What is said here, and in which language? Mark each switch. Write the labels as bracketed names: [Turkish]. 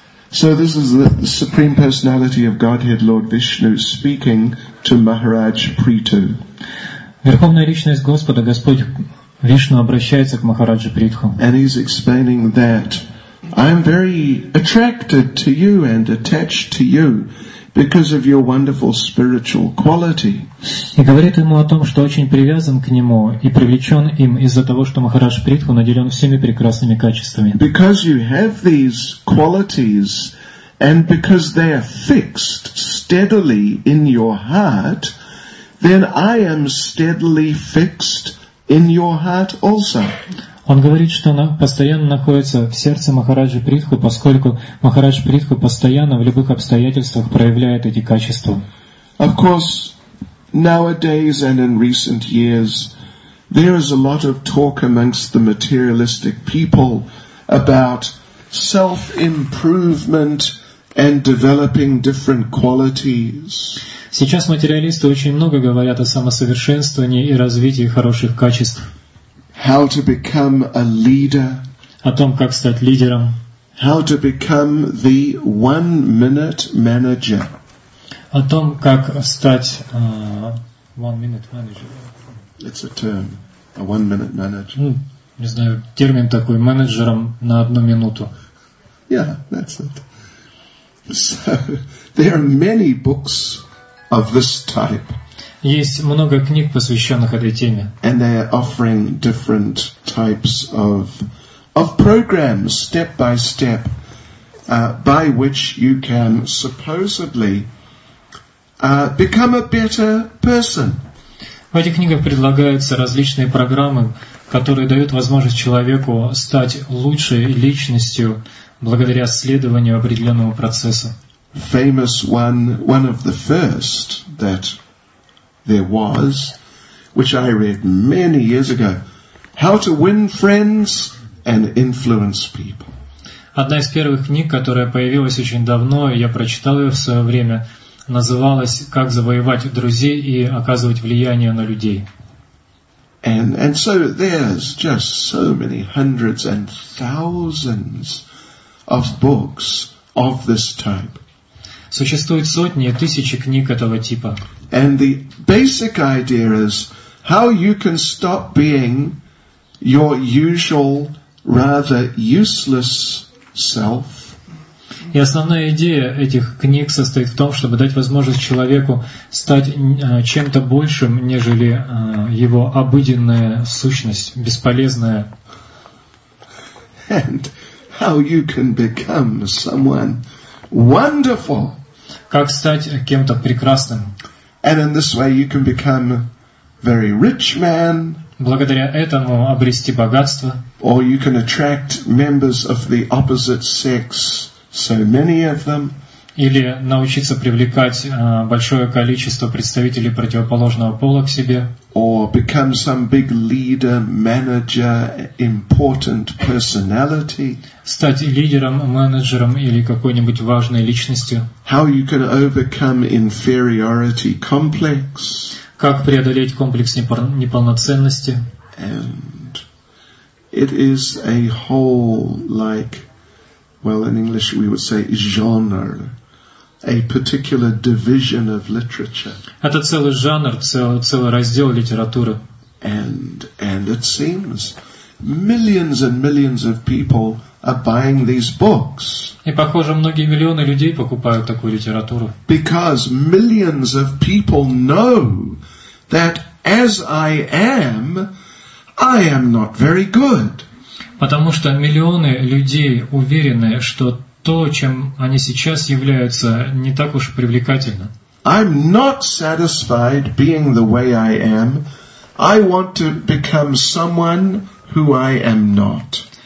[English] So this is the Supreme Personality of Godhead, Lord Vishnu, speaking to Maharaj Prithu. [Russian] Верховная Личность Господа, Господь Вишну обращается к Махараджу Притху. [English] And he's explaining that I'm very attracted to you and attached to you because of your wonderful spiritual quality. [Russian] И говорит ему о том, что очень привязан к нему и привлечен им из-за того, что Махарадж Притху наделен всеми прекрасными качествами. [English] Because you have these qualities and because they are fixed steadily in your heart, then I am steadily fixed in your heart also. [Russian] Он говорит, что она постоянно находится в сердце Махараджи Притху, поскольку Махарадж Притху постоянно в любых обстоятельствах проявляет эти качества. [English] Of course, nowadays and in recent years, there is a lot of talk amongst the materialistic people about self-improvement and developing different qualities. [Russian] Сейчас материалисты очень много говорят о самосовершенствовании и развитии хороших качеств. [English] How to become a leader. [Russian] О том, как стать лидером. [English] How to become the one-minute manager. [Russian] О том, как стать [English] one-minute manager. It's a term, a one-minute manager. [Russian] Не знаю, термин такой, менеджером на одну минуту. [English] Yeah, that's it. So, there are many books of this type. [Russian] Есть много книг, посвященных этой теме. [English] And they are offering different types of programs, step by step, by which you can supposedly become a better person. [Russian] В этих книгах предлагаются различные программы, которые дают возможность человеку стать лучшей личностью благодаря следованию определенного процесса. [English] Famous one of the first that there was, which I read many years ago, How to Win Friends and Influence People. [Russian] Одна из первых книг, которая появилась очень давно, я прочитал ее в свое время, называлась «Как завоевать друзей и оказывать влияние на людей». [English] And so there's just so many hundreds and thousands of books of this type. [Russian] Существует сотни и тысячи книг этого типа. [English] And the basic idea is how you can stop being your usual, rather useless self. [Russian] И основная идея этих книг состоит в том, чтобы дать возможность человеку стать чем-то большим, нежели его обыденная сущность, бесполезная. [English] And how you can become someone wonderful. [Russian] Как стать кем-то прекрасным. [English] And in this way you can become a very rich man. [Russian] Благодаря этому обрести богатство. [English] Or you can attract members of the opposite sex, so many of them. [Russian] или научиться привлекать большое количество представителей противоположного пола к себе, [English] or become some big leader, manager, important personality, [Russian] стать лидером, менеджером или какой-нибудь важной личностью, [English] how you can overcome inferiority complex, [Russian] как преодолеть комплекс неполноценности. [English] And it is a whole, like, well, in English we would say genre, a particular division of literature. [Russian] Это целый жанр, целый раздел литературы. [English] And it seems millions and millions of people are buying these books. [Russian] И похоже, многие миллионы людей покупают такую литературу. [English] Because millions of people know that as I am not very good. [Russian] Потому что миллионы людей уверены, что то, чем они сейчас являются, не так уж привлекательно. [English] I'm not satisfied being the way I am. I want to become someone who I am not.